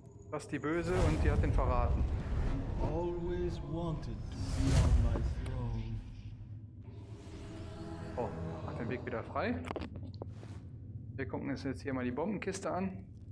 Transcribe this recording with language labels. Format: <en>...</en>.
<de>Das ist die Böse und die hat ihn verraten.</de> <en>Always wanted to be on my throne.</en> <de>Oh, macht den Weg wieder frei. Wir gucken uns jetzt hier mal die Bombenkiste an.</de>